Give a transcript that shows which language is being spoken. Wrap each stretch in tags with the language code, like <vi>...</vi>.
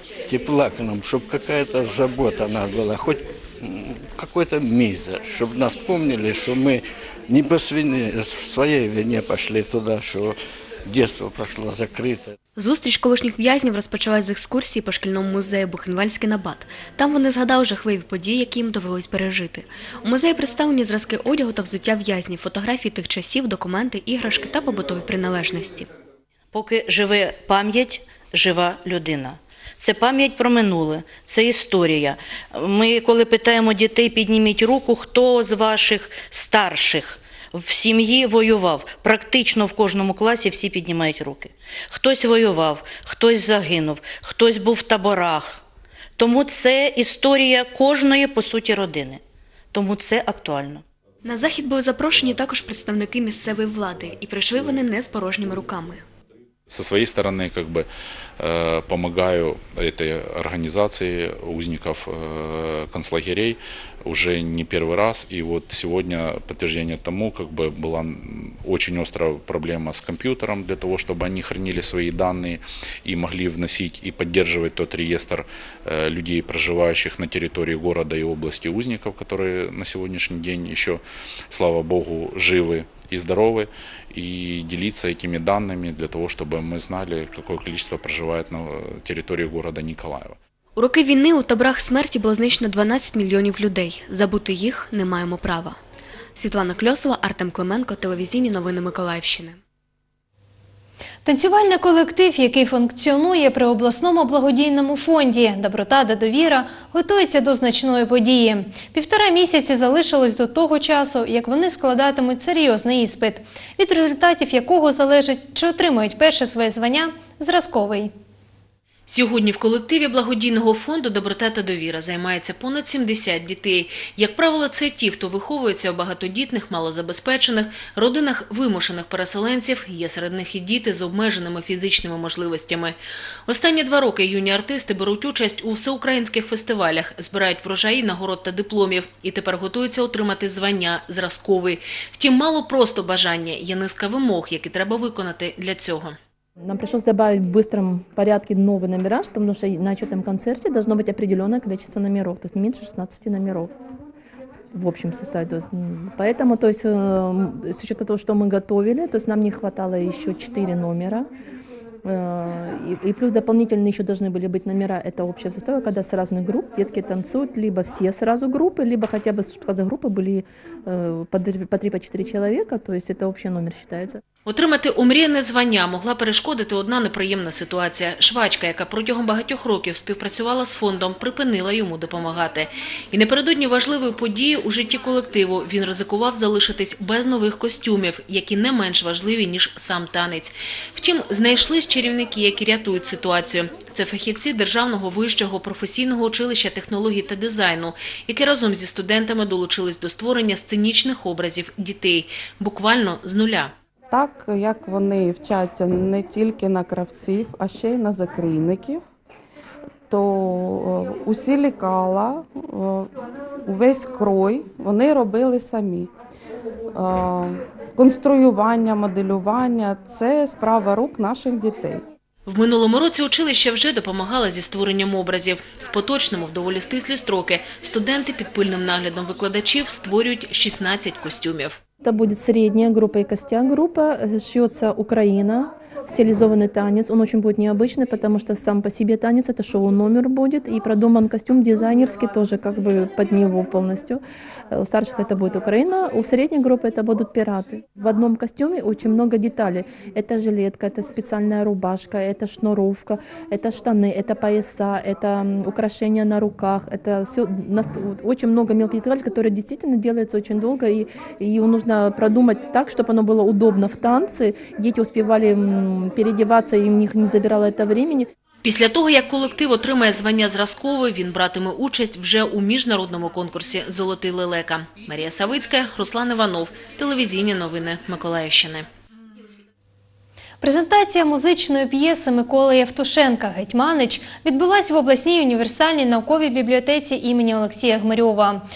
<ru>Тепла к нам,</ru> <uk>щоб якась забота у нас була,</uk> <ru>хоч какой-то мизер, чтобы нас помнили, что мы не по своей вине пошли туда, что детство прошло закрыто.</ru> <uk>Зустріч колишніх в'язнів розпочалась з екскурсії по шкільному музею «Бухенвальдський набат». Там вони згадали жахливі події, які їм довелось пережити. У музеї представлені зразки одягу та взуття в'язнів, фотографії тих часів, документи, іграшки та побутові приналежності. Поки живе пам'ять, жива людина. Це пам'ять про минуле, це історія. Ми, коли питаємо дітей, підніміть руку, хто з ваших старших в сім'ї воював. Практично в кожному класі всі піднімають руки. Хтось воював, хтось загинув, хтось був в таборах. Тому це історія кожної, по суті, родини. Тому це актуально. На захід були запрошені також представники місцевої влади. І прийшли вони не з порожніми руками.</uk> <ru>Со своей стороны, как бы, помогаю этой организации узников концлагерей уже не первый раз. И вот сегодня подтверждение тому, как бы, была очень острая проблема с компьютером для того, чтобы они хранили свои данные и могли вносить и поддерживать тот реестр людей, проживающих на территории города и области узников, которые на сегодняшний день еще, слава Богу, живы и здоровы, и делиться этими данными для того, чтобы мы знали, какое количество проживает на территории города Николаева.</ru> <uk>У роки війни у таборах смерті було знищено 12 мільйонів людей. Забути їх не маємо права. Світлана Кльосова, Артем Клименко, телевізійні новини Миколаївщини. Танцювальний колектив, який функціонує при обласному благодійному фонді «Доброта та довіра», готується до значної події. Півтора місяці залишилось до того часу, як вони складатимуть серйозний іспит, від результатів якого залежить, чи отримають перше своє звання «Зразковий». Сьогодні в колективі благодійного фонду «Доброта та довіра» займається понад 70 дітей. Як правило, це ті, хто виховується у багатодітних, малозабезпечених, родинах вимушених переселенців. Є серед них і діти з обмеженими фізичними можливостями. Останні два роки юні артисти беруть участь у всеукраїнських фестивалях, збирають врожаї, нагород та дипломів. І тепер готуються отримати звання «Зразковий». Втім, мало просто бажання, є низка вимог, які треба виконати для цього.</uk> <ru>Нам пришлось добавить в быстром порядке новый номераж, потому что на отчетном концерте должно быть определенное количество номеров, то есть не меньше 16 номеров в общем составе. Поэтому, то есть, с учетом того, что мы готовили, то есть нам не хватало еще 4 номера. И плюс дополнительные еще должны были быть номера, это общее состава, когда с разных групп детки танцуют, либо все сразу группы, либо хотя бы за группы были по 3-4 человека, то есть это общий номер считается.</ru> <uk>Отримати омріяне звання могла перешкодити одна неприємна ситуація. Швачка, яка протягом багатьох років співпрацювала з фондом, припинила йому допомагати. І напередодні важливої події у житті колективу він ризикував залишитись без нових костюмів, які не менш важливі, ніж сам танець. Втім, знайшлись чарівники, які рятують ситуацію. Це фахівці Державного вищого професійного училища технологій та дизайну, які разом зі студентами долучились до створення сценічних образів дітей. Буквально з нуля. Так, як вони вчаться не тільки на кравців, а ще й на закрійників, то усі лікала, увесь крой вони робили самі. Конструювання, моделювання – це справа рук наших дітей. В минулому році училище вже допомагало зі створенням образів. В поточному, в доволі стислі строки, студенти під пильним наглядом викладачів створюють 16 костюмів.</uk> <ru>Это будет средняя группа и костяк группа. Шьется Украина, стилизованный танец. Он очень будет необычный, потому что сам по себе танец – это шоу-номер будет. И продуман костюм дизайнерский тоже как бы под него полностью. У старших это будет Украина, у средней группы это будут пираты. В одном костюме очень много деталей. Это жилетка, это специальная рубашка, это шнуровка, это штаны, это пояса, это украшения на руках. Это все очень много мелких деталей, которые действительно делаются очень долго. И его нужно продумать так, чтобы оно было удобно в танце. Дети успевали переодеваться, и у них не забирало это времени.</ru> <uk>Після того, як колектив отримає звання зразковий, він братиме участь вже у міжнародному конкурсі «Золотий лелека». Марія Савицька, Руслан Іванов, телевізійні новини Миколаївщини. Презентація музичної п'єси Миколи Євтушенка «Гетьманич» відбулася в обласній універсальній науковій бібліотеці імені Олексія Гмирьова.</uk>